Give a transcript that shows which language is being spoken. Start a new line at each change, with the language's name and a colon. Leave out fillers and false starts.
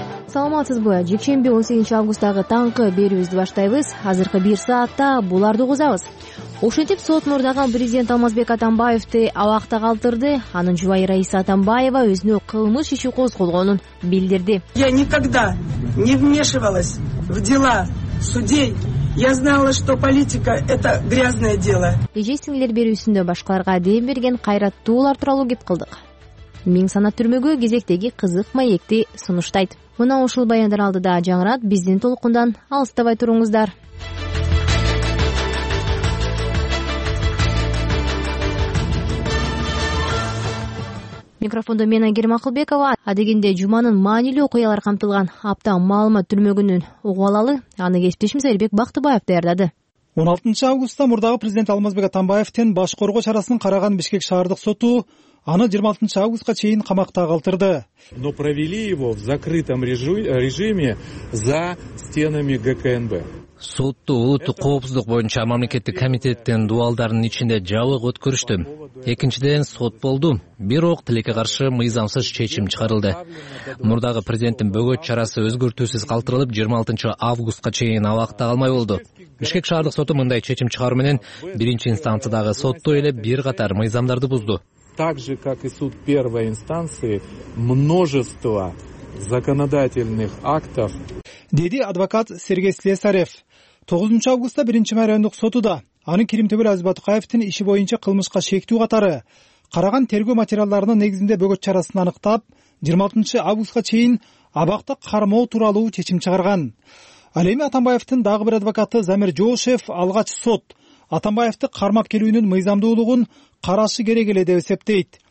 Kyrgyz: Саламатсызбы, жекшемби 18 августтагы таңкы берүүбүздү баштайбыз. Азыркы бир саатта буларды угузабыз. Ошентип сот мурдаган президент Алмазбек Атамбаевди абакта калтырды. Анын жубайы Раиса Атамбаева өзүнө кылмыш иши козголгонун билдирди.
Russian: Я никогда не вмешивалась в дела судей. Я знала, что политика это грязное дело.
Kyrgyz: Эже сиңилер берүүсүндө башкаларга дем берген кайраттуулар тууралуу кеп кылдык. Миң санат түрмөгө кезектеги кызык маекти сунуштайт. Мына ушул баяндар алдыда жаңырат биздин толкундан алыстабай туруңуздар. Микрофондо мен Айгерим Акылбекова, адегенде жуманын маанилүү окуялары камтылган апта маалымат түрмөгүнүн угуп алалы, аны кесиптешимиз Айырбек Бактыбаев даярдады. 16 августта мурдагы президент Алмазбек Атамбаевтен баш коргоо чарасын караган Бишкек шаардык соту аны 26 августка чейин камакта калтырды.
Russian: Но провели его в закрытом режиме за стенами ГКНБ.
Kyrgyz: Сотту улуттук коопсуздук боюнча мамлекеттик комитеттин дубалдарынын ичинде жабык өткөрүштү. Экинчиден сот болду, бирок тилекке каршы мыйзамсыз чечим чыгарылды. Мурдагы президенттин бөгөт чарасы өзгөртүүсүз калтырылып, 26 августка чейин абакта калмай болду. Бишкек шаардык соту мындай чечим чыгаруу менен биринчи инстанциядагы сотто эле бир катар мыйзамдарды бузду.
Russian: Так же, как и суд первой инстанции, множество законодательных актов.
Kyrgyz: Деди адвокат Сергей Слесарев. 9 августта 1-чи райондук соту да анын Киримтөбөл Азбатыкаевдин иши боюнча кылмышка шектүү катары караган тергөө материалдарынын негизинде бөгөт чарасын аныктап, 26 августка чейин абакта кармоо тууралуу чечим чыгарган. Ал эми Атамбаевдин дагы бир адвокаты Замир Жоошев алгач сот Атамбаевди кармап келүүнүн мыйзамдуулугун карашы керек эле деп эсептейт.